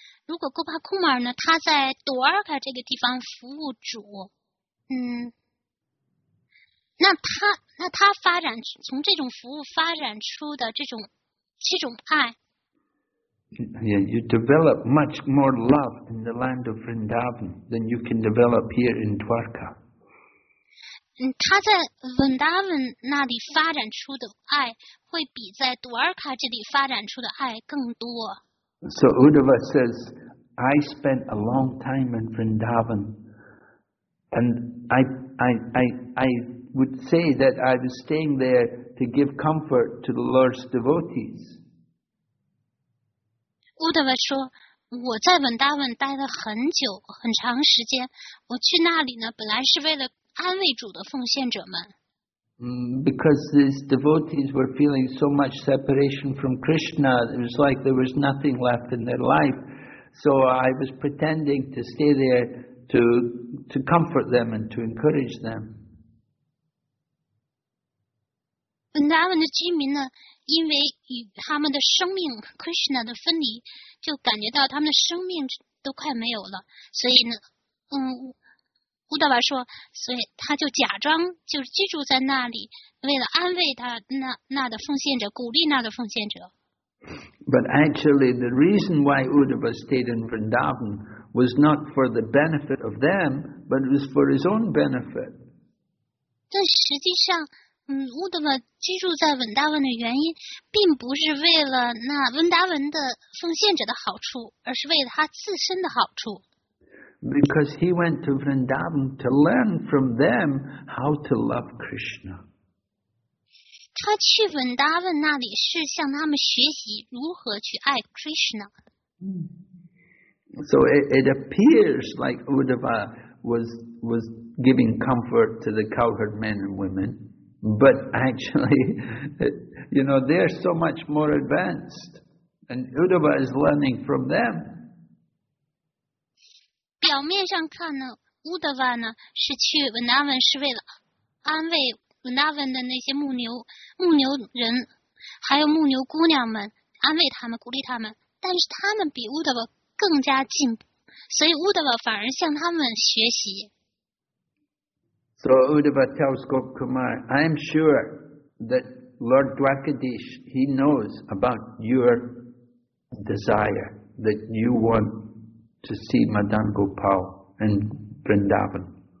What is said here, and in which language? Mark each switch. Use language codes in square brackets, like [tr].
[zh] 如果戈巴库马尔呢，他在朵尔卡这个地方服务主，那他发展从这种服务发展出的这种爱 [en] ，Yeah, you develop much more love in the land of Vrindavan than you can develop here in Dwarka. [zh] 他在文达文那里发展出的爱会比在杜尔卡这里发展出的爱更多。 [en] So Uddhava says, I spent a long time in Vrindavan, and I would say that I was staying there to give comfort to the Lord's devotees. [zh] Uddhava 说我在文达文待了很久很长时间，我去那里呢本来是为了安慰主的奉献者们。 [en] Because these devotees were feeling so much separation from Krishna, it was like there was nothing left in their life. So I was pretending to stay there to comfort them and to encourage them. [zh] 本达文的居民呢，因为与他们的生命 Krishna 的分离，就感觉到他们的生命都快没有了，所以呢，乌达瓦说，所以他就假装就居住在那里，为了安慰他那的奉献者，鼓励那的奉献者。 [en] But actually, the reason why Uddhava stayed in Vrindavan was not for the benefit of them, but it was for his own benefit. [zh] 但实际上，乌达瓦居住在文达文的原因，并不是为了那文达文的奉献者的好处，而是为了他自身的好处。 [en] Because he went to Vrindavan to learn from them how to love Krishna. [zh] 他去文达文那里是向他们学习如何去爱 Krishna. [en] So it appears like Uddhava was giving comfort to the cowherd men and women, but actually, you know, they're so much more advanced, and Uddhava is learning from them. [zh] 表面上看呢，乌德瓦呢是去文达文是为了安慰文达文的那些牧牛人，还有牧牛姑娘们，安慰他们，鼓励他们。但是他们比乌德瓦更加进步，所以乌德瓦反而向他们学习。 [en] So Uddhava tells Gopkumar, I am sure that Lord Dwarkadish, he knows about your desire that you want. To see Madan Gopal in Vrindavan.